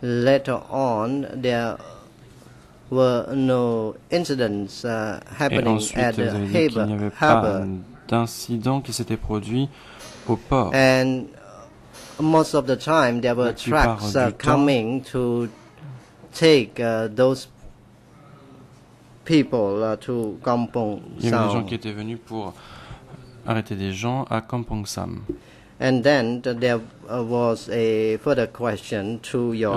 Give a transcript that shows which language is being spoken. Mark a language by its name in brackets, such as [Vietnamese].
[English] Later on there were no incidents happening at Harbor [French] d'incidents qui s'étaient produits au port. [English] And most of the time there were trucks coming to take those people to Kampong Sam. [French] Il y avait des gens qui étaient venus pour arrêter des gens à Kampong Sam. [English] And then there was a further question to your